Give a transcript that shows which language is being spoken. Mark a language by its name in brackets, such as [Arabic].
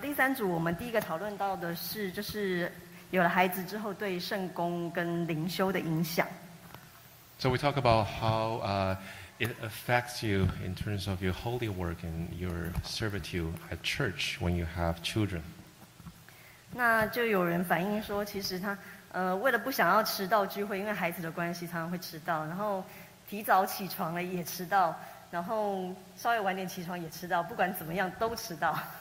[Chinese] 第三组我们第一个讨论到的是，就是有了孩子之后对圣工跟灵修的影响。 [English] So we talk about how it affects you in terms of your holy work and your servitude at church when you have children. [Chinese] 那就有人反映说，其实他为了不想要迟到聚会，因为孩子的关系，常常会迟到，然后提早起床了也迟到，然后稍微晚点起床也迟到，不管怎么样都迟到。